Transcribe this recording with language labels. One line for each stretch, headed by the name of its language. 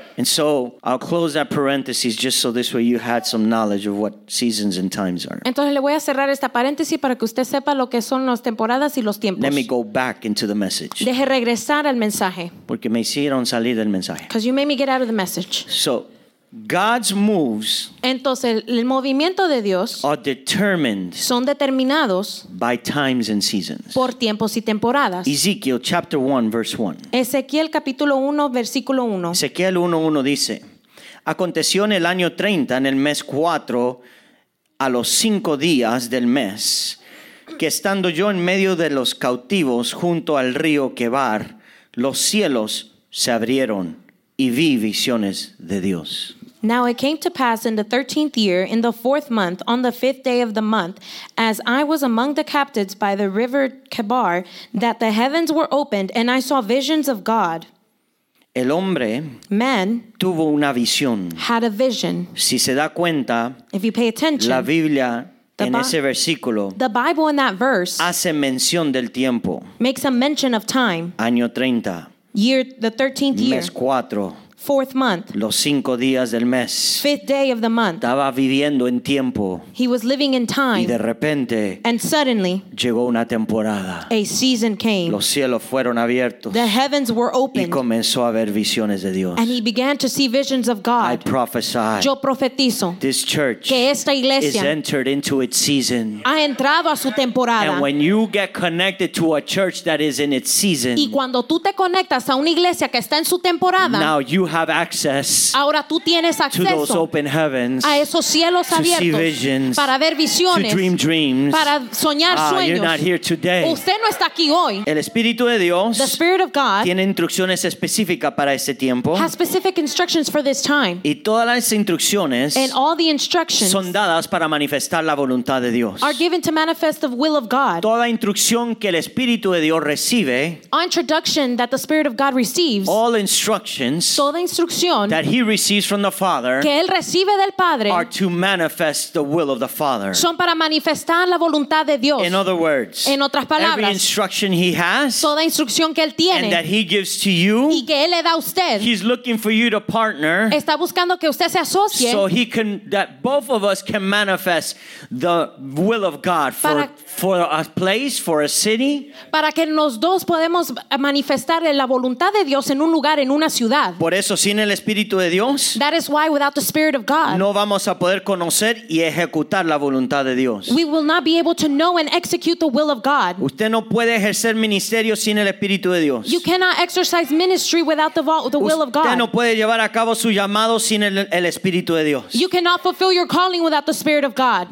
English: And so I'll close that parenthesis just so this way you had some knowledge of what seasons and times are.
Spanish: Entonces le voy a cerrar esta paréntesis para que usted sepa lo que son las temporadas y los tiempos.
English: Let me go back into the message.
Spanish: Deje regresar al mensaje. Porque me hicieron salir del mensaje.
English: Because you made me get out of the message. So God's moves,
Spanish: entonces el movimiento de Dios,
English: are determined,
Spanish: son determinados,
English: by times and seasons,
Spanish: por tiempos y temporadas.
English: Ezekiel chapter 1 verse 1.
Spanish: Ezequiel capítulo 1 versículo 1. Ezequiel 1:1 dice: Aconteció en el año 30, en el mes 4, a los 5 días del mes, que estando yo en medio de los cautivos junto al río Quebar, los cielos se abrieron y vi visiones de Dios.
English: Now it came to pass in the 13th year, in the 4th month, on the 5th day of the month, as I was among the captives by the river Kebar, that the heavens were opened, and I saw visions of God.
Spanish: El hombre,
English: man,
Spanish: tuvo una visión.
English: Had a vision.
Spanish: Si se da cuenta,
English: if you pay attention,
Spanish: la Biblia, en ese versículo,
English: the Bible in that verse,
Spanish: hace mención del tiempo.
English: Makes a mention of time.
Spanish: Año 30.
English: Year, the 13th year,
Spanish: mes cuatro,
English: fourth month,
Spanish: los cinco días del mes,
English: fifth day of the month,
Spanish: estaba viviendo en tiempo,
English: he was living in time,
Spanish: y de repente,
English: and suddenly,
Spanish: llegó una temporada,
English: a season came,
Spanish: los cielos fueron abiertos,
English: the heavens were opened,
Spanish: y comenzó a ver visiones de Dios,
English: and he began to see visions of God. I prophesy,
Spanish: yo profetizo,
English: this church,
Spanish: que esta iglesia,
English: is entered into its season,
Spanish: ha entrado a su temporada,
English: and when you get connected to a church that is in its season,
Spanish: y cuando tú te conectas a una iglesia que está en su temporada,
English: now you have access,
Spanish: ahora tú tienes acceso,
English: to those open heavens,
Spanish: a esos cielos
English: to
Spanish: abiertos,
English: see visions,
Spanish: para ver visiones,
English: to dream dreams,
Spanish: para soñar sueños.
English: You're not here today.
Spanish: Usted no está aquí hoy. El Espíritu de Dios,
English: the Spirit of God,
Spanish: tiene instrucciones específicas para este tiempo,
English: has specific instructions for this time,
Spanish: y todas las instrucciones,
English: and all the instructions,
Spanish: son dadas para manifestar la voluntad de Dios,
English: are given to manifest the will of God.
Spanish: Toda instrucción que el Espíritu de Dios recibe,
English: all introduction that the Spirit of God receives, all instructions, so the instruction that he receives from the Father,
Spanish: que él recibe del Padre,
English: are to manifest the will of the Father.
Spanish: Son para manifestar la voluntad de Dios.
English: In other words,
Spanish: en otras palabras,
English: every instruction he has,
Spanish: toda instrucción que él tiene,
English: and that he gives to you,
Spanish: y que él le da a usted,
English: he's looking for you to partner,
Spanish: está buscando que usted se asocie,
English: so he can, that both of us can manifest the will of God for a place, for a city,
Spanish: para que los dos podemos manifestar la voluntad de Dios en un lugar, en una ciudad. Por eso, sin el Espíritu de Dios,
English: that is why without the Spirit of God,
Spanish: no vamos a poder conocer y ejecutar la voluntad de Dios.
English: We will not be able to know and execute the will of God.
Spanish: Usted no puede ejercer ministerio sin el Espíritu de Dios.
English: You cannot exercise ministry without the will of God.
Spanish: Usted no puede llevar a cabo su llamado sin el Espíritu de Dios.
English: You cannot fulfill your calling without the Spirit of God.